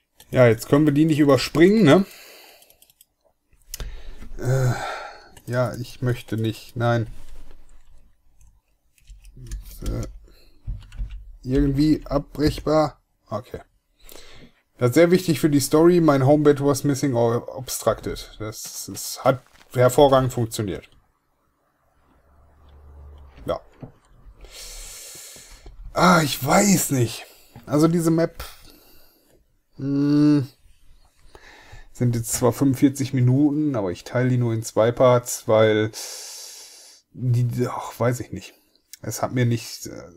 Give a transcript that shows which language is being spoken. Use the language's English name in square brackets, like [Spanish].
[German] Ja, jetzt können wir die nicht überspringen, ne? Ja, ich möchte nicht. Nein. Irgendwie abbrechbar. Okay. Das ist sehr wichtig für die Story. [English] Mein Homebed was missing or obstructed. [German] Das hat hervorragend funktioniert. Ja. Ah, ich weiß nicht. Also diese Map... sind jetzt zwar 45 Minuten, aber ich teile die nur in zwei Parts, weil... Ach, weiß ich nicht. Es hat mir nicht...